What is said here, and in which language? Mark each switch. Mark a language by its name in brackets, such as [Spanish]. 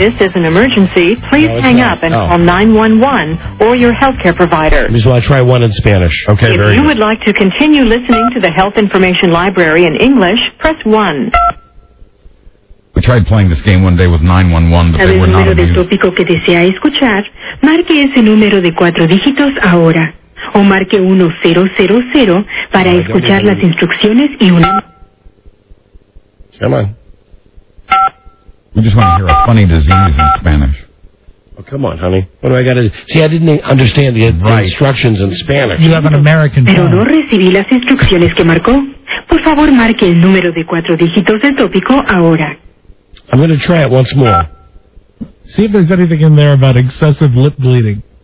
[English] If this is an emergency, please hang up and call 911 or your health care provider. Let me try one in Spanish. Okay, if very you good. Would like to continue listening to the Health Information Library in English, press 1. I tried playing this game one day with 911, but they were not amused. [Spanish] El número de tópico que desea escuchar, marque ese número de cuatro dígitos ahora. O marque 1-0-0-0 para escuchar las instrucciones y una... [English] Come on. We just want to hear a funny disease in Spanish. Oh, come on, honey. What do I got to do? See, I didn't understand the instructions in Spanish. You have an American [Spanish] phone. Pero no recibí las instrucciones que marcó. Por favor, marque el número de cuatro dígitos del tópico ahora. [English] I'm going to try it once more. See if there's anything in there about excessive lip bleeding.